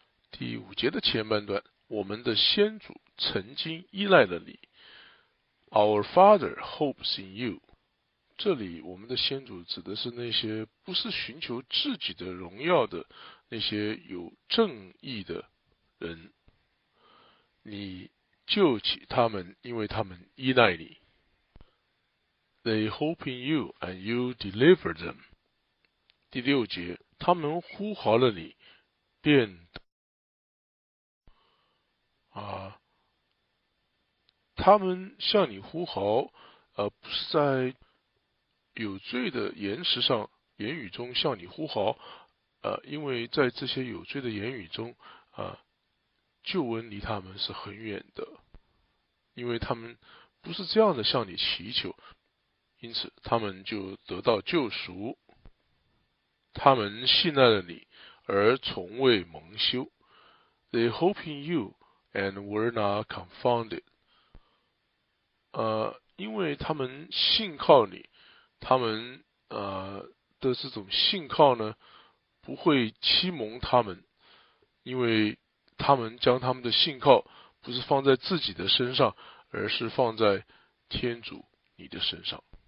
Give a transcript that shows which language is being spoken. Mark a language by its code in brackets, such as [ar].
[zh] 第五节的前半段，我们的先祖曾经依赖了你， [en] Our father hopes in you。 [zh] 这里我们的先祖指的是那些不是寻求自己的荣耀的那些有正义的人，你救起他们，因为他们依赖你。 [en] They hope in you and you deliver them。 [zh] 第六节，他们呼号了你，便他们向你呼号，不是在有罪的言辞上言语中向你呼号，因为在这些有罪的言语中，救恩离他们是很远的，因为他们不是这样的向你祈求，因此他们就得到救赎。他们信赖了你，而从未蒙羞。 [en] They hope in you and were not confounded。 [zh] 因为他们信靠你，他们的这种信靠呢，不会欺蒙他们，因为他们将他们的信靠不是放在自己的身上，而是放在天主你的身上。